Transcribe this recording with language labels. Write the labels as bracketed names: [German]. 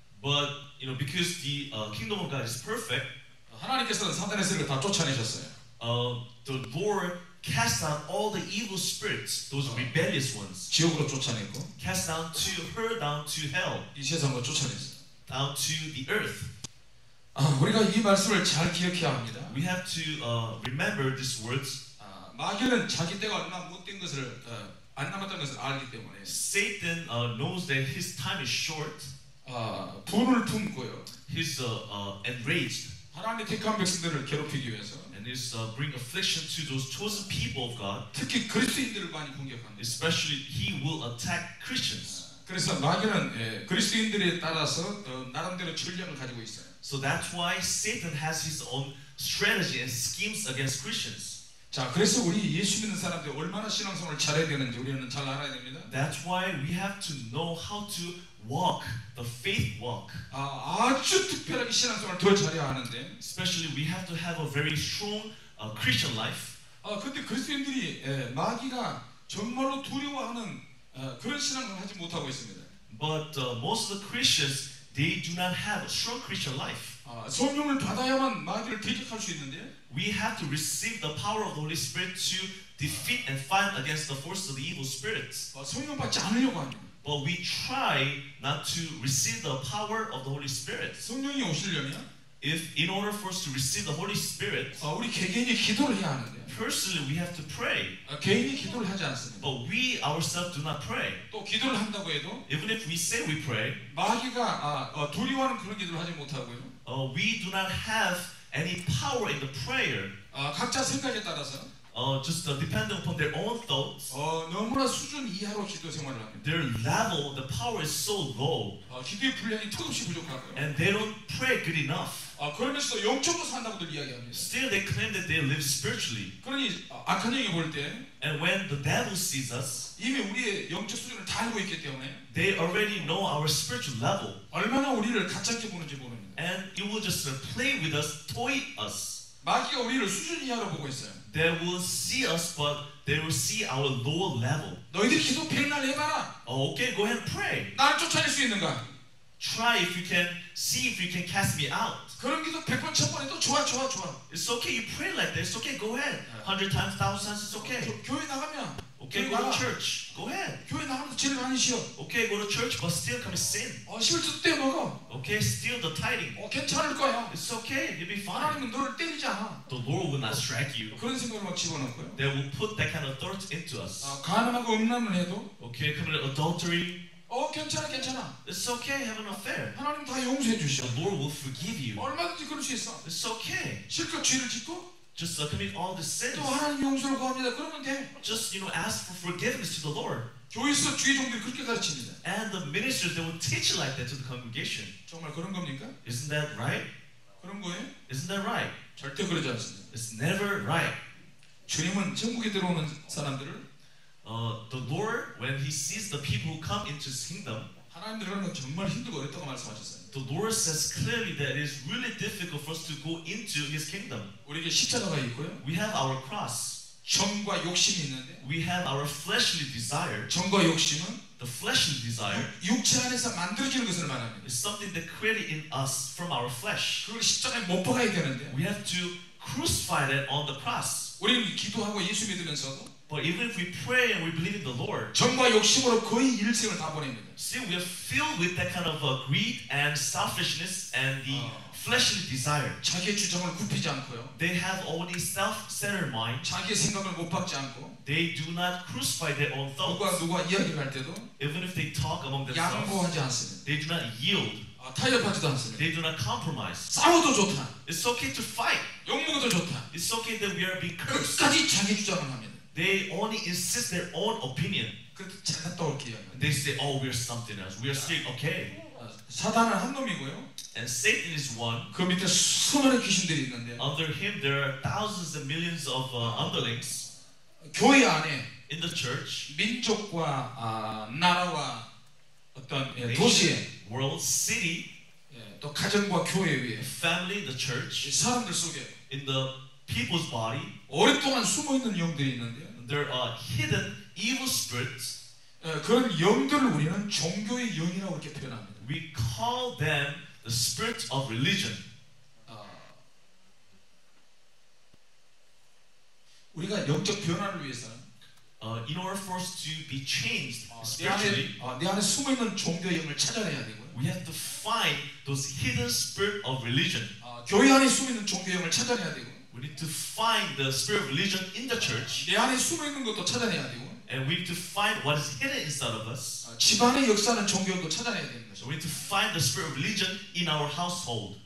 [English] but you know because the kingdom of God is perfect [Korean] 하나님께서는 사단의 세력을 다 쫓아내셨어요. [English] The Lord cast out all the evil spirits those rebellious ones [Korean] 지옥으로 쫓아내고 [English] cast down to her down to hell [Korean] 이 세상으로 쫓아냈어. [English] Down to the earth. [Korean] 우리가 이 말씀을 잘 기억해야 합니다. [English] We have to remember these words. [Korean] 마귀는 자기 때가 얼마 못된 것을 안 남았던 것을 알기 때문에 [English] Satan knows that his time is short. [Korean] 분을 품고요. [English] He's enraged. [Korean] 하나님의 택한 백성들을 괴롭히기 위해서 [English] and he's bring affliction to those chosen people of God. [Korean] 특히 그리스도인들을 많이 공격합니다. [English] Especially he will attack Christians. [Korean] 그래서 마귀는 그리스도인들에 따라서 나름대로 전략을 가지고 있어요. [English] So that's why Satan has his own strategy and schemes against Christians. [Korean] 자, 그래서 우리 예수 믿는 사람들이 얼마나 신앙생활을 잘해야 되는지 우리는 잘 알아야 됩니다. [English] That's why we have to know how to walk the faith walk. [Korean] 아주 특별하게 신앙생활을 더 잘해야 하는데 [English] especially we have to have a very strong Christian life. [Korean] 근데 그리스도인들이 마귀가 정말로 두려워하는 그런 신앙을 하지 못하고 있습니다. [English] But most of the Christians they do not have a strong Christian life. [Korean] 성령을 받아야만 마귀를 대적할 수 있는데 [English] We have to receive the power of the Holy Spirit to defeat and fight against the force of the evil spirits. [Korean] 성령 받지 않으려고 합니다. [English] But we try not to receive the power of the Holy Spirit. [Korean] 성령이 오시려면 [English] If in order for us to receive the Holy Spirit [Korean] 우리 개개인이 기도를 해야 하는데 [English] Personally, we have to pray. [Korean] 개인이 기도를 하지 않습니다. [English] But we ourselves do not pray. [Korean] 또 기도를 한다고 해도 [English] Even if we say we pray [Korean] 마귀가 두려워하는 그런 기도를 하지 못하고요 [English] We do not have any power in the prayer. [Korean] 각자 생각에 따라서 [English] just depending upon their own thoughts. [Korean] 너무나 수준 이하로 기도 생활을 합니다. [English] Their level, the power is so low. [Korean] 기도의 분량이 턱없이 부족하고요. [English] And they don't pray good enough. [Korean] 그러면서 영적으로 산다고들 이야기합니다. [English] Still, they claim that they live spiritually. [Korean] 그러니 악한 영이 볼 때, [English] and when the devil sees us, [Korean] 이미 우리의 영적 수준을 다 알고 있기 때문에, [English] they already know our spiritual level. [Korean] 얼마나 우리를 가짜게 보는지 모릅니다. [English] And it will just play with us, toy us. [Korean] 마귀가 우리를 수준 이하로 보고 있어요. [English] They will see us, but they will see our lower level. [Korean] 너희들 기도 100날 해봐라. [English] Oh, okay, go ahead and pray. [Korean] 나를 쫓아낼 수 있는가? [English] Try if you can, see if you can cast me out. [Korean] 그런 기도 100번, 1000번 해도 좋아, 좋아, 좋아. [English] It's okay, you pray like that. It's okay, go ahead. 100 times, 1000 times, it's okay. [Korean] 교회 나가면. [English] Okay, go to church. Go ahead. [Korean] 교회 나가면 죄를 많이 지어. [English] Okay, go to church, but still commit sin. [Korean] 십일조 때 먹어. [English] Okay, steal the tithing. [Korean] 괜찮을 거야. [English] It's okay, you'll be fine. [Korean] 하나님은 너를 때리지 않아. [English] The Lord will not strike you. [Korean] 그런 생각을 막 집어넣고요. [English] They will put that kind of thought into us. [Korean] 가난하고 음란을 해도. [English] Okay, commit adultery. [Korean] 괜찮아, 괜찮아. [English] It's okay, have an affair. [Korean] 하나님 다 용서해 주셔. [English] The Lord will forgive you. [Korean] 얼마든지 그럴 수 있어. [English] It's okay. [Korean] 실컷 죄를 짓고. [English] Just commit all the sins. [Korean] 또 하나님 용서를 구합니다. 그러면 돼. [English] Just you know, ask for forgiveness to the Lord. [Korean] 교회에서 주의 종들이 그렇게 가르칩니다. [English] And the ministers they will teach like that to the congregation. [Korean] 정말 그런 겁니까? [English] Isn't that right? [Korean] 그런 거예요? [English] Isn't that right? [Korean] 절대 그러지 않습니다. [English] It's never right. [Korean] 주님은 천국에 들어오는 사람들을 [English] The Lord, when He sees the people who come into His kingdom, [Korean] 하나님들은 정말 힘들고 어렵다고 말씀하셨어요. [English] The Lord says clearly that it is really difficult for us to go into His kingdom. [Korean] 우리에게 십자가가 있고요. [English] We have our cross. [Korean] 정과 욕심이 있는데. [English] We have our fleshly desire. [Korean] 정과 욕심은 [English] the fleshly desire. [Korean] 육체 안에서 만들어지는 것을 말합니다. [English] It's something that created in us from our flesh. [Korean] 그걸 십자가에 못 박아야 되는데. [English] We have to crucify that on the cross. [Korean] 우리는 기도하고 예수 믿으면서도. [English] But even if we pray and we believe in the Lord, [Korean] 정과 욕심으로 거의 일생을 다 보냅니다. [English] See, we are filled with that kind of greed and selfishness and the fleshly desire. [Korean] 자기의 주장을 굽히지 않고요. [English] They have only self-centered mind. [Korean] 자기의 생각을 못 박지 않고. [English] They do not crucify their own thoughts. [Korean] 누가 이야기를 할 때도. [English] Even if they talk among themselves, [Korean] 양보하지 않습니다. [English] They do not yield. [Korean] 타협하지도 않습니다. [English] They do not compromise. [Korean] 싸워도 좋다. [English] It's okay to fight. [Korean] 욕먹어도 좋다. [English] It's okay that we are being cursed. [Korean] 끝까지 자기 주장을 합니다. [English] They only insist their own opinion. [Korean] 그래도 제가 또 올게요. [English] They say, oh, we're something else. We're still okay. [Korean] 사단은 한 놈이고요. [English] And Satan is one. [Korean] 그 밑에 수많은 귀신들이 있는데. [English] Under him, there are thousands and millions of underlings. [Korean] 교회 안에. [English] In the church. [Korean] 민족과 나라와 어떤 도시에. [English] World city. [Korean] 또 가정과 교회 위에. [English] Family, the church. [Korean] 사람들 속에. [English] In the people's body. [Korean] 오랫동안 숨어 있는 영들이 있는데요. [English] There are hidden evil spirits. [Korean] 그런 영들을 우리는 종교의 영이라고 이렇게 표현합니다. [English] We call them the spirits of religion. [Korean] 우리가 영적 변화를 위해서는 [English] in order for us to be changed spiritually, [Korean] 내 안에 숨어 있는 종교의 영을 찾아내야 되고요. [English] We have to find those hidden spirits of religion. [Korean] 교회 안에 숨어 있는 종교의 영을 찾아내야 되고. [English] We need to find the spirit of religion in the church. [Korean] 내 안에 숨어 있는 것도 찾아내야 되고. [English] And we need to find what is hidden inside of us. [Korean] 집안의 역사는 종교도 찾아내야 되는 거죠. [English] We need to find the spirit of religion in our household.